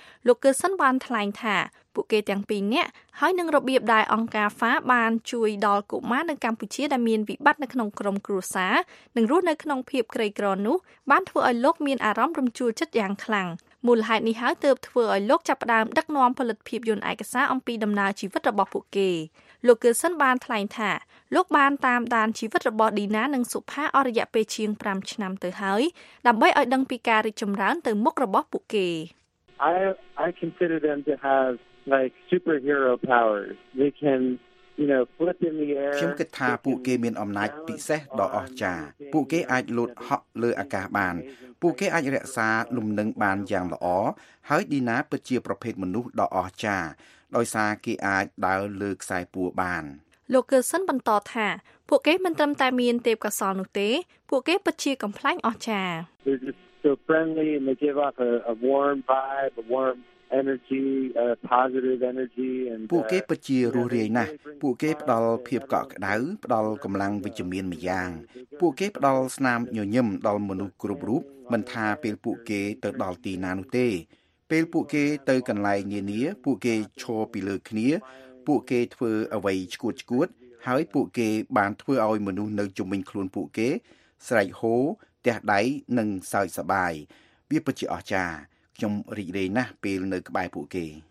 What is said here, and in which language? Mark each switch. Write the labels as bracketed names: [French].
[Khmer] លោកកឺសិនបានថ្លែងថាពួកគេទាំងពីរនាក់ហើយនឹងរបៀបដែលអង្គការ FA បានជួយដល់កុមារនៅកម្ពុជាដែលមានវិបត្តិនៅក្នុងក្រុមគ្រួសារនិងរស់នៅក្នុងភាពក្រីក្រនោះបានធ្វើឲ្យលោកមានអារម្មណ៍រំជួលចិត្តយ៉ាងខ្លាំងមូលហេតុនេះហើយទើបធ្វើឲ្យលោកចាប់ផ្ដើមដឹកនាំផលិតភាពយន្តឯកសារអំពីដំណើរជីវិតរបស់ពួកគេលោកកឺសិនបានថ្លែងថាលោកបានតាមដានជីវិតរបស់ឌីណានិងសុផាអស់រយៈពេលជាង5ឆ្នាំទៅហើយដើម្បីឲ្យដឹងពីការរីកចម្រើនទៅមុខរបស់ពួកគេ [English] I consider them to have like superhero powers they can [Khmer] ខ្ញុំគិតថាពួកគេមានអំណាចពិសេសដ៏អស្ចារ្យពួកគេអាចលោតហក់លើអាកាសបានពួកគេអាចរក្សាលំនឹងបានយ៉ាងល្អហើយឌីណាពិតជាប្រភេទមនុស្សដ៏អស្ចារ្យដោយសារគេអាចដើរលើខ្សែពួរបាន លោកកឺសិនបន្តថាពួកគេមិនត្រឹមតែមានទេពកោសល្យនោះទេពួកគេពិតជាកំ pl ែងអស្ចារ្យ [English] They're just so friendly and they give off a warm vibe a warmenergy, positive energy, and [Khmer] ពួកគេពិតជារស់រាយណាស់ពួកគេផ្ដល់ភាពកក់ក្ដៅផ្ដល់កម្លាំងវិជ្ជមានម្យ៉ាងពួកគេផ្ដល់ស្នាមញញឹមដល់មនុស្សគ្រប់រូបមិនថាពេលពួកគេទៅដល់ទីណានោះទេពេលពួកគេទៅកន្លែងនានាពួកគេឈរពីលើគ្នាពួកគេធ្វើអ្វីឆ្កួតឆ្កួតហើយពួកគេបានធ្វើឲ្យមនុស្សនៅជុំវិញខ្លួនពួកគេស្រែកហ៊ោទះដៃនិងសើចសប្បាយវាពិតជាអស្ចារ្យខ្ញុំរីករាយណាស់ពេលនៅក្បែរពួកគេ